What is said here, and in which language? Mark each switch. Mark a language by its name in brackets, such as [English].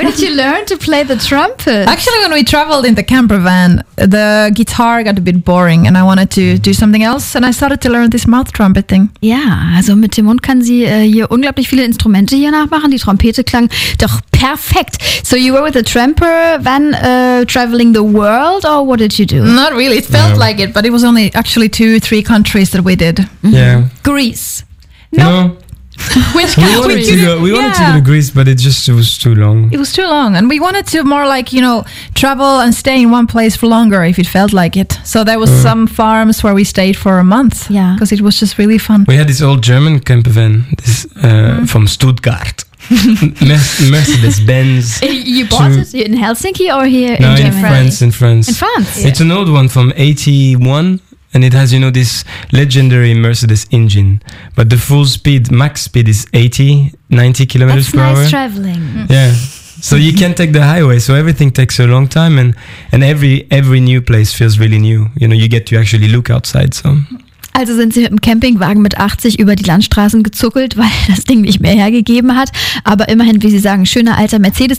[English] Where did you learn to play the trumpet? Actually, when we traveled in the camper van, the guitar got a bit boring and I wanted to do something else and I started to learn this mouth trumpet thing. [German] Ja, also mit dem Mund kann sie hier unglaublich viele Instrumente hier nachmachen. Die Trompete klang doch perfekt. [English] So you were with a tramper van traveling the world or what did you do? Not really. It felt like it, but it was only actually 2-3 countries that we did. Mm-hmm. Yeah. Greece. No. Which country? We wanted to go to Greece, but it was too long. It was too long. And we wanted to more like, you know, travel and stay in one place for longer if it felt like it. So there was some farms where we stayed for a month. Yeah. Because it was just really fun. We had this old German camper van from Stuttgart. Mercedes-Benz. You bought it in Helsinki or here no, in Germany? No, in France. In France? Yeah. It's an old one from 81. And it has, you know, this legendary Mercedes engine. But the full speed, max speed is 80-90 kilometers per hour. That's nice traveling. Yeah. So you can't take the highway. So everything takes a long time. And every new place feels really new. You know, you get to actually look outside. So. [German] Also sind sie mit dem Campingwagen mit 80 über die Landstraßen gezuckelt, weil das Ding nicht mehr hergegeben hat. Aber immerhin, wie sie sagen, schöner alter Mercedes.